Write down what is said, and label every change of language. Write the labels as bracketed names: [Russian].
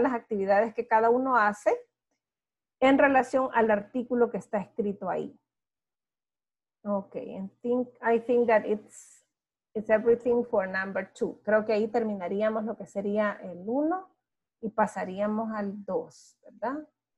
[Spanish] Las actividades que cada uno hace en relación al artículo que está escrito ahí. [English] Okay, and I think that it's everything for number two. [Spanish] Creo que ahí terminaríamos lo que sería el uno y pasaríamos al dos, ¿verdad?